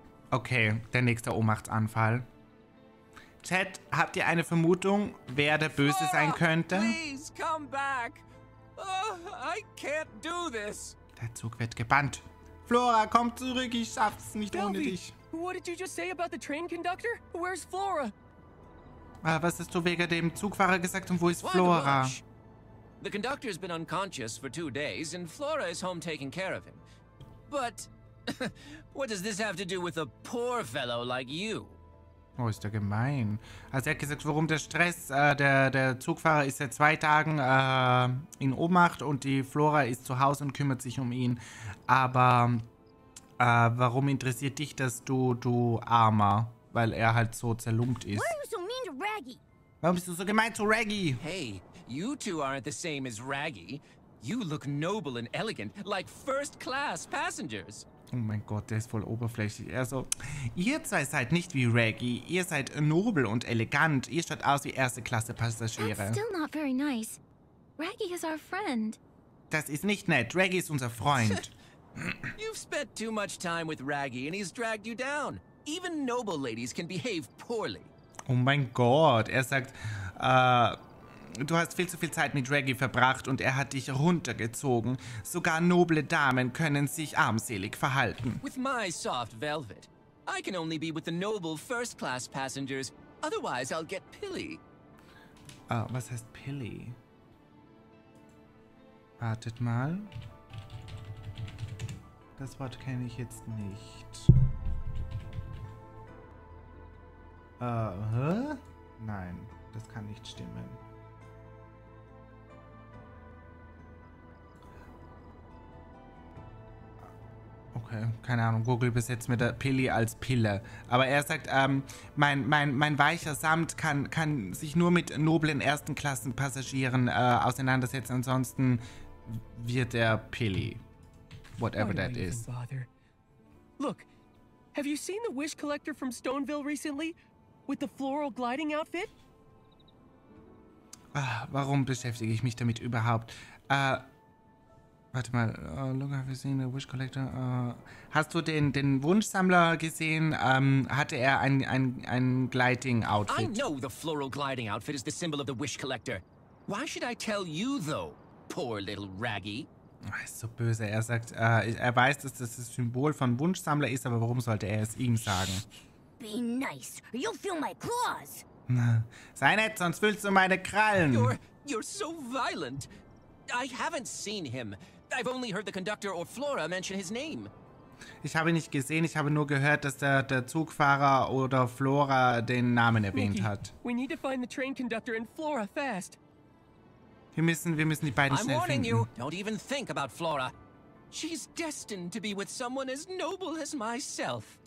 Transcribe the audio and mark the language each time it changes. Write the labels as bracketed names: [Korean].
[German] Okay, der nächste Ohnmachtsanfall. Chat, habt ihr eine Vermutung, wer der Böse sein könnte? [English] Please come back. Oh, I can't do this. [German] Der Zug wird gebannt. Flora, komm zurück, ich schaff's nicht ohne dich. [English] What did you just say about the train conductor? Where's Flora? [German] Was hast du wegen dem Zugfahrer gesagt und wo ist Flora? [English] The conductor has been unconscious for 2 days and Flora is home taking care of him. But what does this have to do with a poor fellow like you? [German] Oh, ist der gemein. Also er hat gesagt, warum der Stress, der Zugfahrer ist seit 2 Tagen in Ohnmacht und die Flora ist zu Hause und kümmert sich um ihn. Aber warum interessiert dich das, du Armer? Weil er halt so zerlumpt ist. [English] Why are you so mean to Raggy? [German] Warum bist du so gemein zu Raggy? [English] Hey, you two aren't the same as Raggy. You look noble and elegant, like first-class passengers. [German] Oh mein Gott, der ist voll oberflächlich. Also, ihr zwei seid nicht wie Raggy. Ihr seid nobel und elegant. Ihr schaut aus wie erste Klasse Passagiere. [English] That's still not very nice. Raggy is our friend. [German] Das ist nicht nett. Raggy ist unser Freund. [English] You've spent too much time with Raggy and he's dragged you down. Even noble ladies can behave poorly. [German] Oh mein Gott, er sagt, du hast viel zu viel Zeit mit Raggy verbracht und er hat dich runtergezogen. Sogar noble Damen können sich armselig verhalten. [English] With my soft velvet, I can only be with the noble first-class passengers. Otherwise, I'll get pilly. [German] Was heißt pilly? Wartet mal. Das Wort kenne ich jetzt nicht. Nein, das kann nicht stimmen. Okay, keine Ahnung, Google übersetzt mir da Pilli als Pille. Aber er sagt, mein weicher Samt kann sich nur mit noblen ersten Klassen Passagieren auseinandersetzen, ansonsten wird er Pilli. [English] Whatever that is. Look, have you seen the wish collector from Stoneville recently? With the floral gliding outfit? [German] Ach, warum beschäftige ich mich damit überhaupt? Warte mal, [English] look, have you seen the wish collector? [German] Hast du den Wunschsammler gesehen? Hatte er ein [English] gliding outfit? I know the floral gliding outfit is the symbol of the wish collector. Why should I tell you though, poor little Raggy? [German] Er ist so böse. Er sagt, er weiß, dass das Symbol von Wunschsammler ist, aber warum sollte er es ihm sagen? [English] Be nice, or you'll feel my claws. [German] Sei nett, sonst fühlst du meine Krallen. [English] You're so violent. I haven't seen him. I've only heard the conductor or Flora mention his name. [German] Ich habe ihn nicht gesehen. Ich habe nur gehört, dass der Zugfahrer oder Flora den Namen erwähnt hat. [English] We need to find the train conductor and Flora fast. [German] Wir müssen die beiden schnell finden. [English] I'm warning you. Don't even think about Flora. She's destined to be with someone as noble as myself.